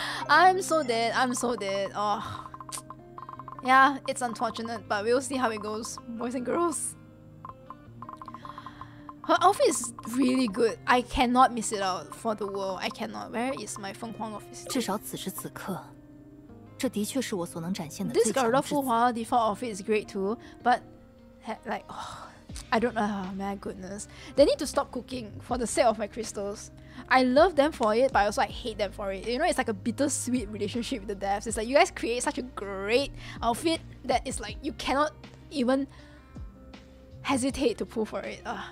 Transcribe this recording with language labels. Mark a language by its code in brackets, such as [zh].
[en] I'm so dead. I'm so dead. Oh. Yeah, it's unfortunate, but we'll see how it goes, boys and girls. Her outfit is really good. I cannot miss it out for the world. I cannot. Where is my 疯狂 office? [zh] 至少此时此刻, 这的确是我所能展现的. [en] This girl of Fuhua default outfit is great too, but like, oh, I don't know. Oh, my goodness, they need to stop cooking for the sake of my crystals. I love them for it, but also I hate them for it. You know, it's like a bittersweet relationship with the devs. It's like you guys create such a great outfit that it's like you cannot even hesitate to pull for it.